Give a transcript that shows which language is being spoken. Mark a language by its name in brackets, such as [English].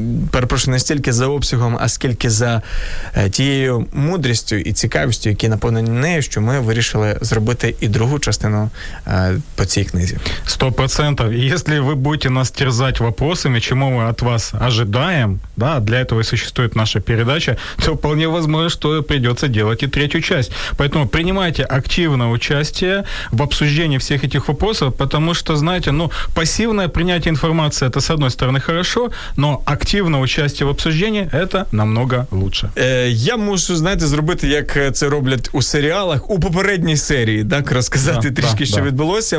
[Ukrainian] Перепрошую, не стільки за обсягом, а скільки за тією мудрістю і цікавістю, які наповнені нею, що ми вирішили зробити і другу частину по цій книзі. 100%. Якщо ви будете нас терзати вопросами, чому ми від вас чекаємо, да, для цього і существує наша передача, то вполне можливо, що прийдеться робити і третю частину. [Russian] Поэтому принимайте активное участие в обсуждении всех этих вопросов, потому что, знаете, ну, пассивное принятие информации, это, с одной стороны, хорошо, но активное участие в обсуждении, это намного лучше. [Ukrainian] Я мушу, знаете, зробити, як це роблять у серіалах, у попередній серії, так, розказати трішки, що відбулося.